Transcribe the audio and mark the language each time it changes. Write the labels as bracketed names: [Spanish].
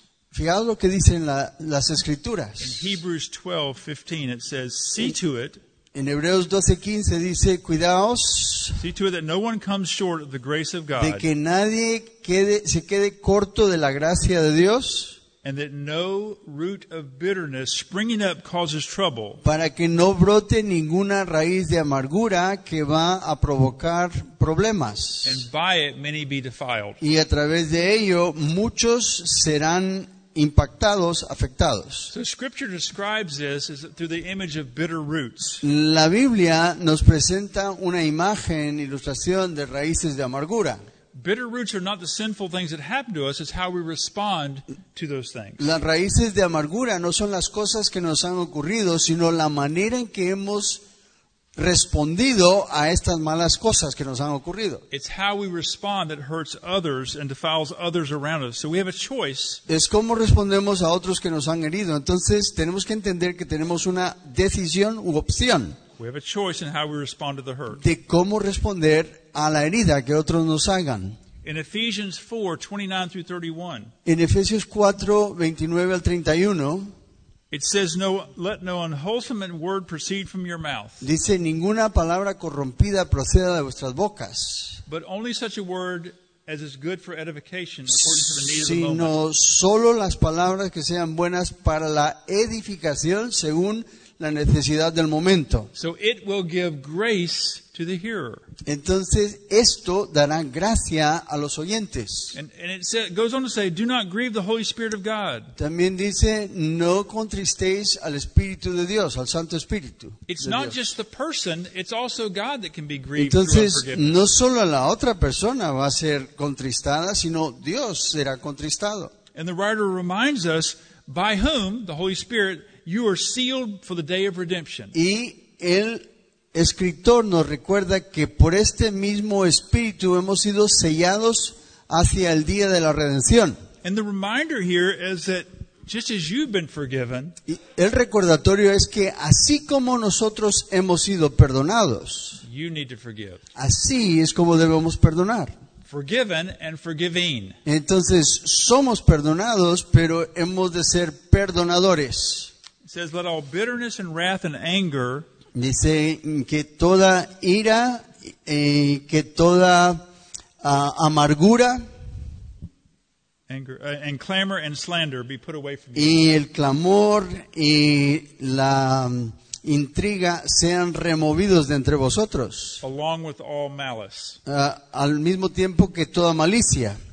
[Spanish] Fijaos lo que dicen las Escrituras. [English] In Hebrews 12:15 it says, "See to it." [Spanish] En Hebreos 12:15 dice, "Cuidaos." [English] See to it that no one comes short of the grace of God. [Spanish] De que nadie se quede corto de la gracia de Dios. [English] And that no root of bitterness springing up causes trouble. [Spanish] Para que no brote ninguna raíz de amargura que va a provocar problemas. [English] And by it many be defiled. [Spanish] Y a través de ello muchos serán impactados, afectados. [English] So Scripture describes this as through the image of bitter roots. [Spanish] La Biblia nos presenta una imagen, ilustración de raíces de amargura. [English] Bitter roots are not the sinful things that happen to us, it's how we respond to those things. [Spanish] Las raíces de amargura no son las cosas que nos han ocurrido, sino la manera en que hemos respondido a estas malas cosas que nos han ocurrido. [English] It's how we respond that hurts others and defiles others around us. So we have a choice. [Spanish] Es cómo respondemos a otros que nos han herido. Entonces, tenemos que entender que tenemos una decisión u opción. [English] We have a choice in how we respond to the hurt. [Spanish] De cómo responder a la herida que otros nos hagan. [English] In Ephesians 4:29-31. [Spanish] En Efesios 4:29-31. [English] It says, "No, let no unwholesome word proceed from your mouth." [Spanish] Dice, ninguna palabra corrompida proceda de vuestras bocas. [English] But only such a word as is good for edification, according to the need of the moment. [Spanish] Sino solo las palabras que sean buenas para la edificación, según la necesidad del momento. [English] So it will give grace to the hearer. [Spanish] Entonces esto dará gracia a los oyentes. [English] And it goes on to say, "Do not grieve the Holy Spirit of God." [Spanish] También dice, "No contristéis al Espíritu de Dios, al Santo Espíritu." [English] It's not just the person; it's also God that can be grieved. [Spanish] Entonces no solo la otra persona va a ser contristada, sino Dios será contristado. [English] And the writer reminds us, "By whom the Holy Spirit." You are sealed for the day of redemption. [Spanish] Y el escritor nos recuerda que por este mismo espíritu hemos sido sellados hacia el día de la redención. [English] And the reminder here is that just as you've been forgiven, [Spanish] y el recordatorio es que así como nosotros hemos sido perdonados, [English] you need to forgive. [Spanish] Así es como debemos perdonar. [English] Forgiven and forgiving. [Spanish] Entonces somos perdonados, pero hemos de ser perdonadores. [English] It says, "Let all bitterness and wrath and anger." [Spanish] Dice que toda ira, que toda amargura, [English] anger, and clamor and slander be put away from you. [Spanish] Y el clamor y la intriga sean removidos de entre vosotros. [English] Along with all malice. [Spanish] Al mismo tiempo que toda malicia.